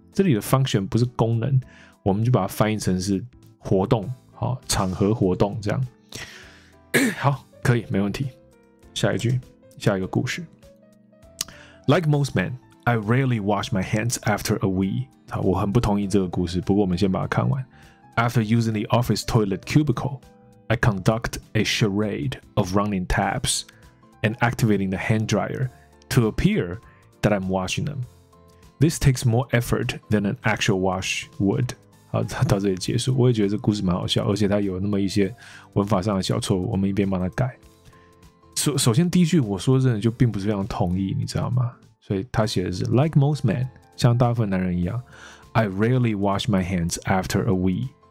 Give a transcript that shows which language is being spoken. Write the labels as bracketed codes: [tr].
[zh] 这里的 function 不是功能，我们就把它翻译成是活动，好，场合活动这样。好，可以，没问题。下一句，下一个故事。 [en] Like most men, I rarely wash my hands after a wee. [zh] 好，我很不同意这个故事，不过我们先把它看完。 [en] After using the office toilet cubicle, I conduct a charade of running taps and activating the hand dryer to appear that I'm washing them. This takes more effort than an actual wash would. [zh] 好，到这里结束。我也觉得这故事蛮好笑，而且它有那么一些文法上的小错误，我们一边帮它改。首先第一句，我说真的就并不是非常同意，你知道吗？所以他写的是 [en] like most men， [zh] 像大部分男人一样 [en] ，I rarely wash my hands after a wee。